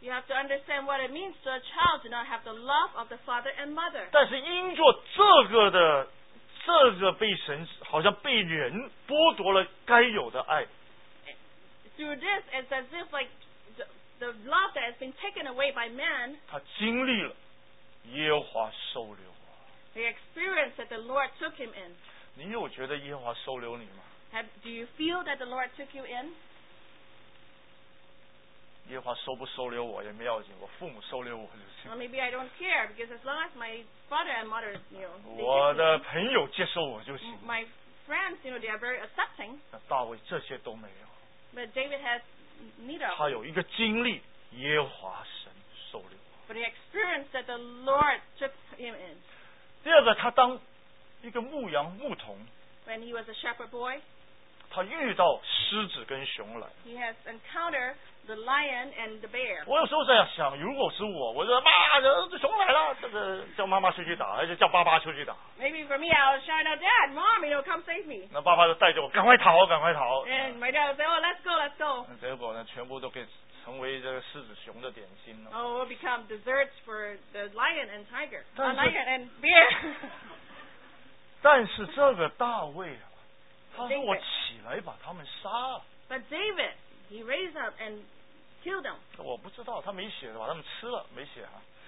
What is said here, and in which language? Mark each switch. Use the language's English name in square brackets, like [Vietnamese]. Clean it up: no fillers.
[English] You have to understand what it means to a child to not have the love of the father and mother. [Chinese] 但是因着这个的这个被神好像被人剥夺了该有的爱。 [English] Through this, it's as if like the love that has been taken away by man. [Chinese] 他经历了耶和华收留。 [English] The experience that the Lord took him in. [Chinese] 你有觉得耶和华收留你吗？ [English] Do you feel that the Lord took you in? [Chinese] 耶和华收不收留我也没要紧，我父母收留我就行。 [English] Well, maybe I don't care because as long as my father and mother knew. [Chinese] 我的朋友接受我就行。 [English] My friends, you know, they are very accepting. [Chinese] 那大卫这些都没有。 [English] But David has neither. [Chinese] 他有一个经历，耶和华神收留我。 [English] But he experienced that the Lord took him in. [Chinese] 第二个，他当一个牧羊牧童。 [English] When he was a shepherd boy. [Chinese] 他遇到狮子跟熊来。 [English] He has encountered the lion and the bear. [Chinese] 我有时候在想，如果是我，我就妈，熊来了，这个叫妈妈出去打，还是叫爸爸出去打 [English] ？Maybe for me, I'll shout out, "Dad, Mom, you know, come save me." [Chinese] 那爸爸就带着我赶快逃，赶快逃。 [English] And my dad said, "Oh, let's go, let's go." [Chinese] 结果呢，全部都给成为这个狮子熊的点心了。 [English] Oh, we'll become desserts for the lion and tiger, the lion and bear. [Chinese] 但是这个大卫啊。他说我起来把他们杀了。 [English] But David, he raised up and killed them. [Chinese] 我不知道，他没写的，把他们吃了，没写啊。